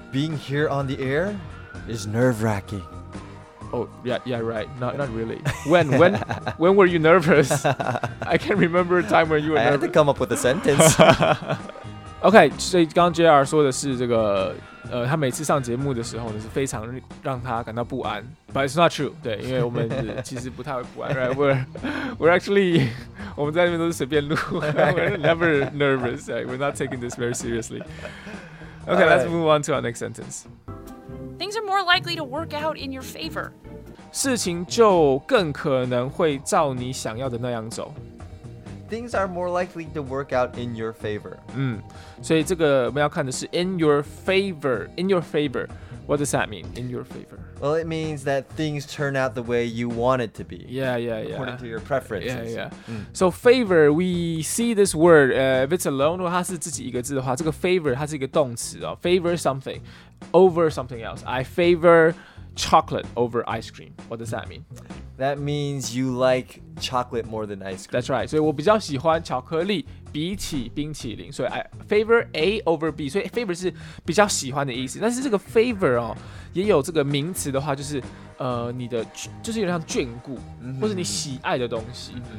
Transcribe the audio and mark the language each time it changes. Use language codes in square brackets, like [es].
[en] Being here on the air is nerve wracking. Oh, yeah, right. Not really. When were you nervous? I can't remember a time when you were nervous. I had to come up with a sentence. [zh] Okay, 所以刚刚 JR 说的是这个，他每次上节目的时候呢，是非常让他感到不安。 [en] But it's not true. [zh] 对，因为我们其实不太会不安。 [en] Right? We're actually, [zh] 我们在那边都是随便录。 [en] We're never nervous. Right? We're not taking this very seriously. Okay, let's move on to our next sentence. Things are more likely to work out in your favor. [zh] 事情就更可能会照你想要的那样走。 [en] Things are more likely to work out in your favor. [zh] 所以这个我们要看的是 [en] in your favor. In your favor. What does that mean? In your favor. Well, it means that things turn out the way you want it to be. Yeah. According to your preferences. Yeah. So favor, we see this word. If it's alone, [zh] 如果它是自己一个字的话，这个 favor 它是一个动词哦。 [en] Favor something. Over something else. I favor chocolate over ice cream. What does that mean? That means you like chocolate more than ice cream. That's right. [zh] 所以我比较喜欢巧克力比起冰淇淋。 [en] 所以 I favor A over B. [zh] 所以 favor 是比较喜欢的意思。但是这个 favor 哦，也有这个名词的话，就是你的就是有点像眷顾，或是你喜爱的东西。